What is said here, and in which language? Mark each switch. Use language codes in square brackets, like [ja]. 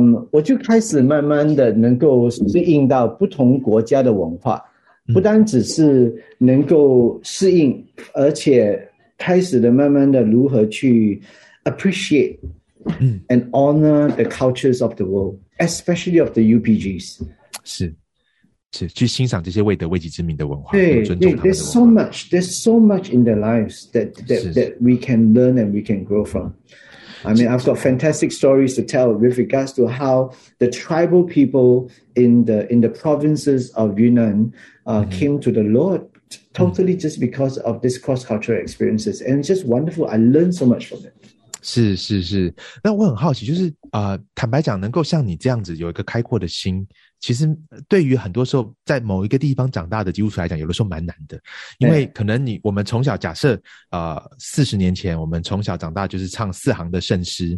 [zh] 我就开始慢慢的能够适应到不同国家的文化，不单只是能够适应，而且开始的慢慢的如何去 [en] appreciate and honor the cultures of the world, especially of the UPGs. [zh] 是是去欣赏这些未得未及之名的文化，对，尊重他们的文化。 [en] There's so much, in their lives that we can learn and we can grow from. I mean, I've got fantastic stories to tell with regards to how the tribal people in the provinces of Yunnan came to the Lord totally just because of this cross cultural experiences, and it's just wonderful. I learned so much from it. [zh] 是是是，那我很好奇，就是坦白讲，能够像你这样子有一个开阔的心，其实对于很多时候在某一个地方长大的基督徒来讲，有的时候蛮难的，因为可能我们从小假设40年前我们从小长大就是唱四行的圣诗，